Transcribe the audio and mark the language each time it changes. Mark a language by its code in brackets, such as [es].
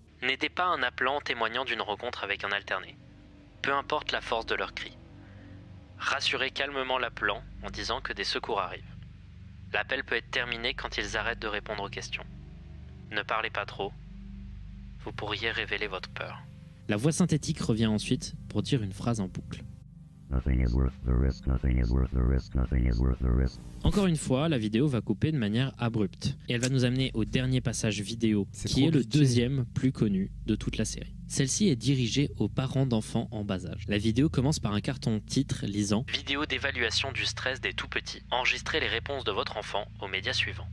[fr] N'aidez pas un appelant témoignant d'une rencontre avec un alterné, peu importe la force de leur cri. Rassurez calmement l'appelant en disant que des secours arrivent. L'appel peut être terminé quand ils arrêtent de répondre aux questions. Ne parlez pas trop. Vous pourriez révéler votre peur. La voix synthétique revient ensuite pour dire une phrase en boucle. [en] Nothing is worth the risk, nothing is worth the risk, nothing is worth the risk. [fr] Encore une fois, la vidéo va couper de manière abrupte. Et elle va nous amener au dernier passage vidéo, c'est qui est le deuxième plus connu de toute la série. Celle-ci est dirigée aux parents d'enfants en bas âge. La vidéo commence par un carton titre lisant: vidéo d'évaluation du stress des tout-petits. Enregistrez les réponses de votre enfant aux médias suivants.